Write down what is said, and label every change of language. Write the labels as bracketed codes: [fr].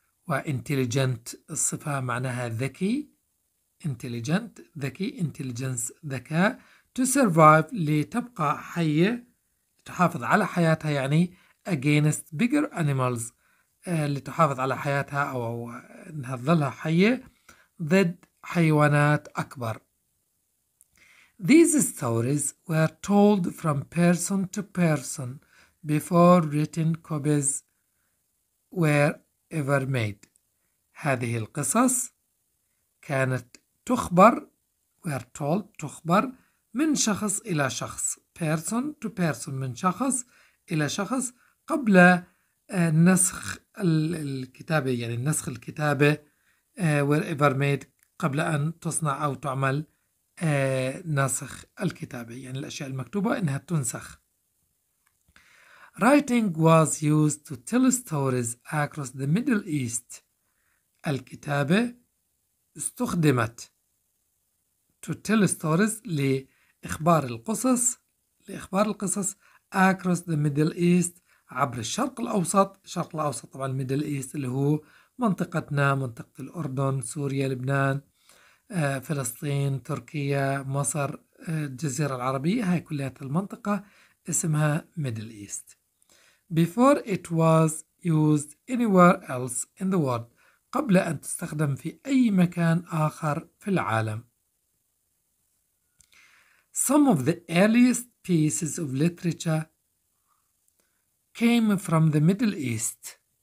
[ar] وintelligent الصفة معناها ذكي، intelligent ذكي، intelligence ذكاء، [en] to survive [ar] لتبقى حية، تحافظ على حياتها، يعني [en] against bigger animals [ar] لتحافظ على حياتها أو أنها تظلها حية ضد حيوانات أكبر. [en] These stories were told from person to person before written copies were ever made. [ar] هذه القصص كانت تخبر، [en] were told، [ar] تخبر من شخص إلى شخص، [en] person to person، [ar] من شخص إلى شخص، قبل نسخ الكتابة، يعني نسخ الكتابة [en] wherever made، [ar] قبل أن تصنع أو تعمل نسخ الكتابة، يعني الأشياء المكتوبة إنها تنسخ. [en] Writing was used to tell stories across the Middle East. [ar] الكتابة استخدمت [en] to tell stories، [ar] لإخبار القصص، لإخبار القصص [en] across the Middle East، [ar] عبر الشرق الأوسط. الشرق الأوسط طبعا Middle East اللي هو منطقتنا، منطقة الأردن، سوريا، لبنان، فلسطين، تركيا، مصر، الجزيرة العربية، هاي كلها المنطقة اسمها Middle East. [en] Before it was used anywhere else in the world، [ar] قبل أن تستخدم في أي مكان آخر في العالم. [en] Some of the earliest pieces of literature came from the Middle East.